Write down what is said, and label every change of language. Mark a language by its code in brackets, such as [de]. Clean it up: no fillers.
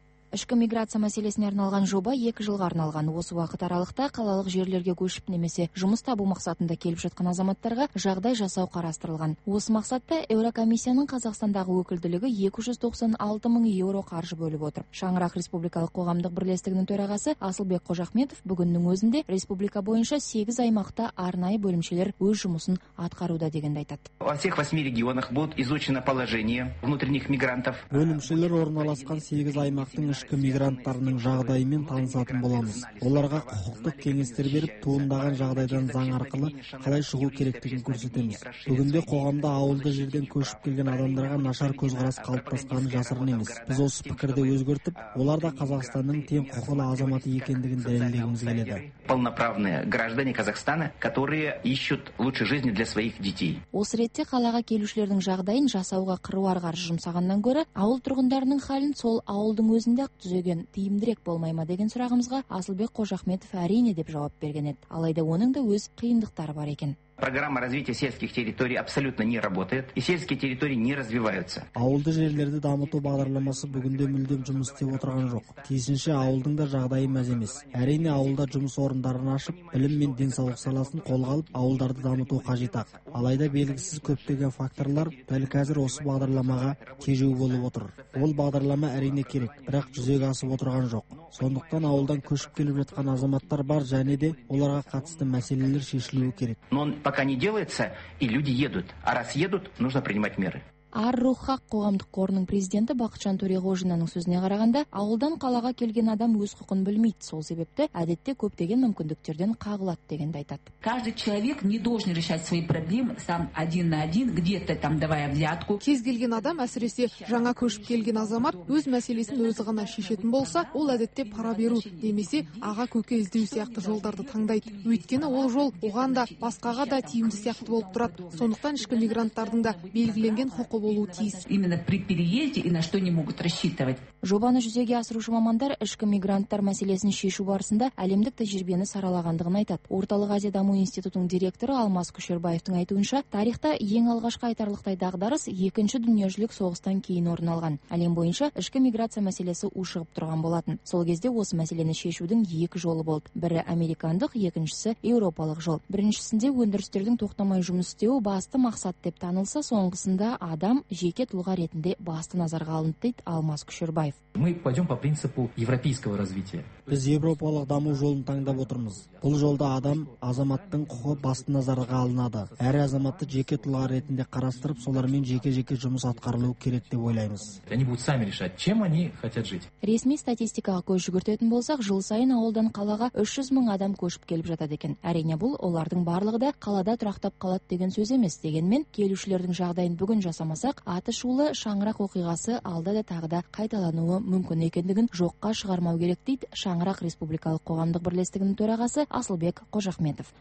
[kk] Ішкі миграция мәселесіне арналған жоба 2 жылға арналған. Осы уақыт аралықта қалалық жерлерге көшіп немесе жұмыс табу мақсатында келіп жатқан азаматтарға жағдай жасау қарастырылған. Осы мақсатта Еурокомиссияның Қазақстандағы өкілдігі 296 000 евро қаржы бөліп отыр. Шаңырақ республикалық қоғамдық бірлестігінің төрағасы Асылбек Қожахметов бүгіннің өзінде республика бойынша 8 аймақта арнайы бөлімшелер өз жұмысын атқаруда дегенді айтады. [ru] Во всех 8 регионах будет изучено положение внутренних мигрантов. [kk] Бөлімшелер орналасқан 8 аймақ ішкі мигранттарының жағдайымен танысатын боламыз. Оларға құқықтық кеңестер беріп, туындаған жағдайдан заң арқылы қалай шығу керектігін көрсетеміз. Бүгінде қоғамда ауылды жерден көшіп келген адамдарға нашар көзқарас қалыптасқанын жасырын емес. Біз осы пікірді өзгертіп, олар да Қазақстанның тең құқылы азаматы екендігін дәлелдегіміз келеді. [ru] Полноправные граждане Казахстана, которые ищут лучшей жизни для своих детей. [kk] Осы ретте қалаға келушілердің жағдайын жасауға қыруар қаржы жұмсағаннан гөрі ауыл тұрғындарының халін сол ауылдың өзінде ақ түзеген тиімдірек болмай ма деген сұрағымызға Асылбек Қожахметов әрине деп жауап берген еді. Алайда оның да өз қиындықтары бар екен. [ru] Программа развития сельских территорий абсолютно не работает, и сельские территории не развиваются. [kk] Ауылды жерлерді дамыту бағдарламасы бүгінде мүлдем жұмыс істеп отырған жоқ. Тиісінше ауылдың да жағдайы мәз емес. Әрине ауылда жұмыс орындарын ашып, білім мен денсаулық саласын қолға алып, ауылдарды дамыту қажет. Алайда белгісіз көптеген факторлар дәл қазір осы бағдарламаға тежеу болып отыр. Ол бағдарлама әрине керек, бірақ жүзеге асып отырған жоқ. Сондықтан ауылдан көшіп келіп жатқан азаматтар бар және де оларға қатысты мәселелер шешілуі керек. [ru] Пока не делается, и люди едут. А раз едут, нужно принимать меры. [kk] Ар-Рухак қоғамдық қорының президенті Бақытжан Төреғожинаның сөзіне қарағанда, ауылдан қалаға келген адам өз құқын білмейді, сол себепті әдетте көптеген мүмкіндіктерден қағылады дегенді айтады. [ru] Каждый человек не должен решать свои проблемы сам один на один, где-то там давая взятку. [kk] Кез келген адам, әсіресе жаңа көшіп келген азамат, өз мәселесін өзі ғана шешетін болса, ол әдетте пара беру немесе аға көке іздеу сияқты жолдарды таңдайды. Өйткені ол жол оған да басқаға да тиімді сияқты болып тұрады. Сондықтан ішкі мигранттардың да белгіленген [ru] именно при переезде и на что не могут рассчитывать. [kk] Жобаны жүзеге асырушы мамандар ішкі мигранттар мәселесін шешу барысында әлемдік тәжірибені саралағандығын айтады. Орталық Азия даму институтының директоры Алмаз Күшербаевтың айтуынша, тарихта ең алғашқы айтарлықтай дағдарыс 2-ші дүниежүзілік соғыстан кейін орын алған. Әлем бойынша ішкі миграция мәселесі ушығып тұрған болатын. Сол кезде осы мәселені шешудің екі жолы болды. Бірі американдық, екіншісі еуропалық жол. Біріншісінде өндірістердің тоқтамай жұмыс істеуі басты мақсат деп танылса, соңғысында адам жеке тұлға ретінде басты назарға алынды дейді Алмаз Күшербаев. [ru] Мы пойдем по принципу европейского развития. [kk] Біз еуропалық даму жолын таңдап отырмыз. Бұл жолда адам азаматтың құқы басты назарға алынады. Әр азаматты жеке тұлға ретінде қарастырып, солармен жеке-жеке жұмыс атқарылуы керек деп ойлаймыз. [ru] Они будут сами решать, чем они хотят жить. [kk] Ресми статистикаға көз жүгіртетін болсақ, жыл сайын ауылдан қалаға 300 000 адам көшіп келіп жатады екен. Әрине бұл олардың барлығы да қалада тұрақтап қалады деген сөз емес. Дегенмен келушілердің жағдайын бүгін жасамасақ, аты шулы шаңырақ оқиғасы алда да тағы да қайталануы мүмкін екендігін жоққа шығармау керек дейді Шаңырақ республикалық қоғамдық бірлестігінің төрағасы Асылбек Қожахметов.